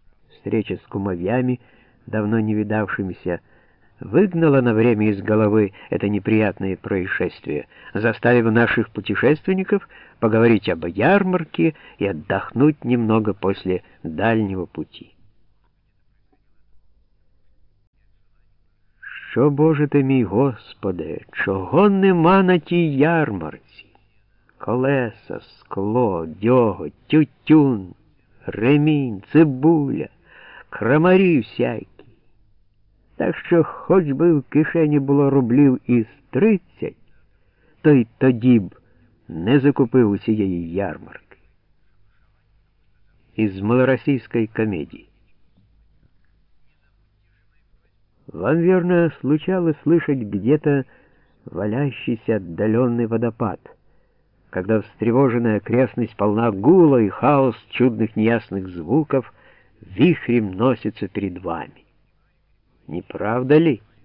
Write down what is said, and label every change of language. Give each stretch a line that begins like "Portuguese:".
Russian: Встреча с кумовьями, давно не видавшимися, выгнала на время из головы это неприятное происшествие, заставив наших путешественников поговорить об ярмарке и отдохнуть немного после дальнего пути.
Ukrainian: «Що, Боже ты мій, Господи, чого нема на тій ярмарці? Колеса, скло, дього, тютюн, ремінь, цибуля, крамарі всякі. Так що хоч би в кишені було рублів із 30, то й тоді б не закупив усієї ярмарки». Із малоросійської комедії.
Russian: Вам, верно, случалось слышать где-то валящийся отдаленный водопад, когда встревоженная окрестность полна гула и хаос чудных неясных звуков вихрем носится перед вами. Не правда ли?